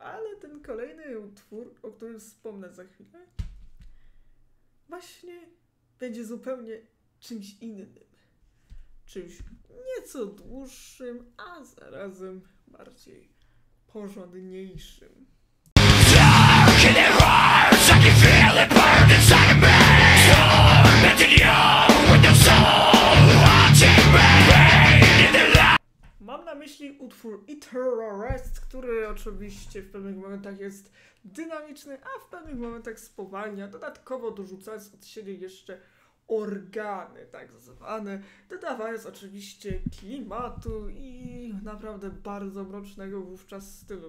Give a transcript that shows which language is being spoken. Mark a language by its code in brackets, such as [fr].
[pl] Ale ten kolejny utwór, o którym wspomnę za chwilę, właśnie będzie zupełnie czymś innym. Czymś nieco dłuższym, a zarazem bardziej porządniejszym. [en] And it hurts, I can feel it burn inside of me. Tormenting you with your soul, haunting me. [pl] Mam na myśli utwór Eterrorist, który oczywiście w pewnych momentach jest dynamiczny, a w pewnych momentach spowalnia, dodatkowo dorzucając od siebie jeszcze organy, tak zwane, dodawając oczywiście klimatu i naprawdę bardzo mrocznego wówczas stylu.